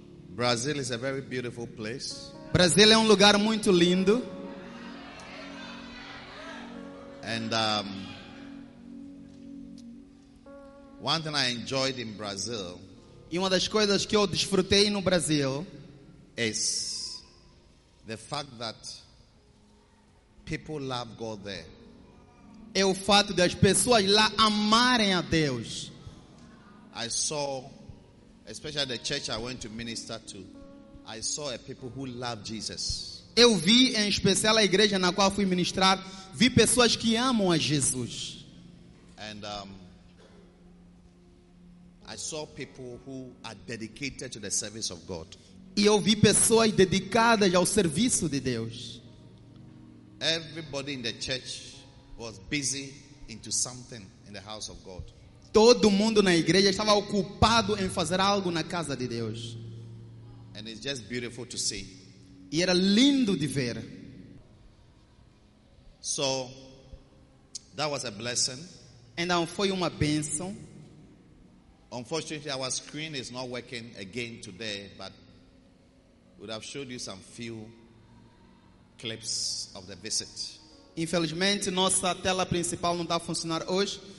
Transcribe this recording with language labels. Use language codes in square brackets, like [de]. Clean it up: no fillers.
[en] Brazil is a very beautiful place. [pt] Brasil é lugar muito lindo. [en] And one thing I enjoyed in Brazil. [pt] E uma das coisas que eu desfrutei no Brasil [en] is the fact that people love God there. [pt] É o fato de as pessoas lá amarem a Deus. [en] I saw, especially the church I went to minister to, I saw a people who love Jesus. [pt] Eu vi, em especial a igreja na qual fui ministrar, vi pessoas que amam a Jesus. [en] And I saw people who are dedicated to the service of God. [pt] E eu vi pessoas dedicadas ao serviço de Deus. [en] Everybody in the church was busy into something in the house of God. [pt] Todo mundo na igreja estava ocupado em fazer algo na casa de Deus. [en] And it's just beautiful to see. [pt] E era lindo de ver. [en] So that was a blessing. [pt] Então foi uma bênção. [en] Unfortunately, our screen is not working again today, but would have showed you some few clips of the visit. [pt] Infelizmente, nossa tela principal não está a funcionar hoje.